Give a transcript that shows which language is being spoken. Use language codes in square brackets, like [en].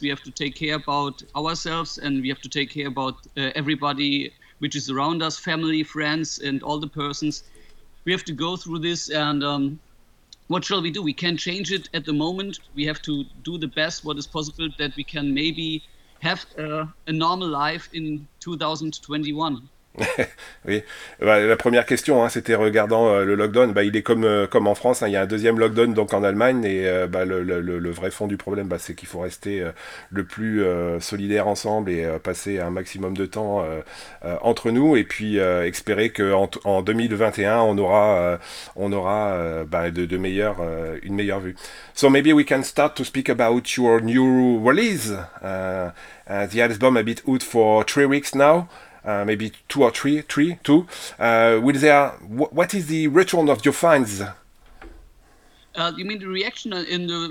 [en] We have to take care about ourselves, and we have to take care about everybody which is around us, family, friends, and all the persons. We have to go through this, and what shall we do? We can't change it at the moment. We have to do the best what is possible that we can maybe have a normal life in 2021. [fr] Oui, la première question, hein, c'était regardant le lockdown. Il est comme en France, hein, il y a un deuxième lockdown donc en Allemagne, et le vrai fond du problème, c'est qu'il faut rester le plus solidaire ensemble et passer un maximum de temps entre nous, et puis espérer qu'en 2021, on aura une meilleure vue. [en] So maybe we can start to speak about your new release. The album a bit out for 3 weeks now. Maybe two or three, two. Will there? What is the return of your fans? You mean the reaction in the